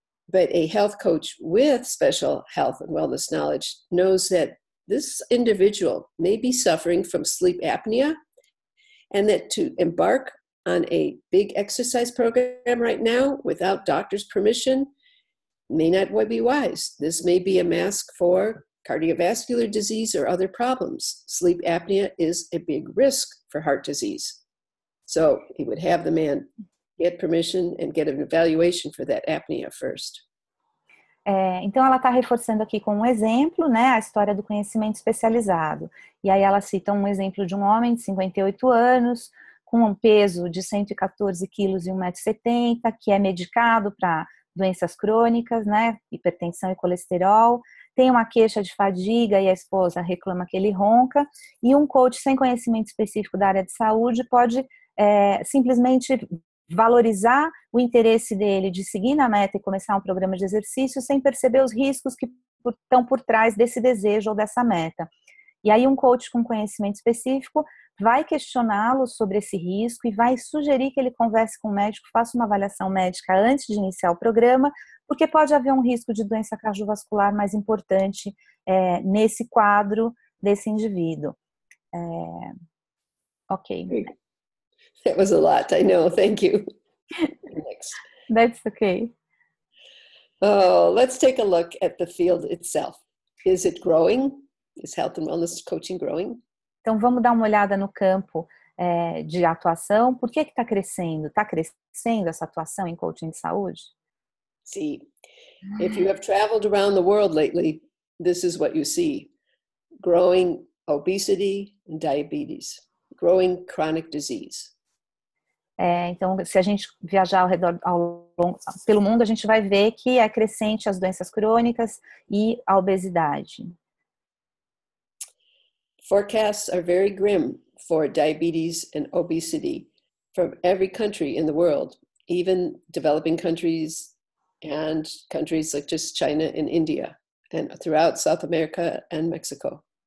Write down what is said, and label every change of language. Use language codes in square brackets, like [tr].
[en] But a health coach with special health and wellness knowledge knows that this individual may be suffering from sleep apnea, and that to embark on a big exercise program right now without doctor's permission may not be wise. This may be a mask for cardiovascular disease or other problems. Sleep apnea is a big risk for heart disease. So he would have the man get permission and get an evaluation for that apnea first. [pt] É, então, ela está reforçando aqui com um exemplo, né, a história do conhecimento especializado. E aí ela cita um exemplo de um homem de 58 anos, com um peso de 114 quilos e 1,70 m, que é medicado para doenças crônicas, né, hipertensão e colesterol, tem uma queixa de fadiga e a esposa reclama que ele ronca, e um coach sem conhecimento específico da área de saúde pode simplesmente valorizar o interesse dele de seguir na meta e começar um programa de exercício sem perceber os riscos que estão por trás desse desejo ou dessa meta. E aí um coach com conhecimento específico vai questioná-lo sobre esse risco e vai sugerir que ele converse com o médico, faça uma avaliação médica antes de iniciar o programa, porque pode haver um risco de doença cardiovascular mais importante nesse quadro desse indivíduo. Ok. [en] That was a lot, I know, thank you. Next. That's okay. Oh, let's take a look at the field itself. Is it growing? Is health and wellness coaching growing? [pt] Então vamos dar uma olhada no campo de atuação. Por que está crescendo? Está crescendo essa atuação em coaching de saúde? [en] See, if you have traveled around the world lately, this is what you see. Growing obesity and diabetes. Growing chronic disease. [pt] Então, se a gente viajar ao redor, pelo mundo, a gente vai ver que é crescente as doenças crônicas e a obesidade. [en] Forecasts are very grim for diabetes and obesity from every country in the world, even developing countries and countries like just China and India, and throughout South America and Mexico.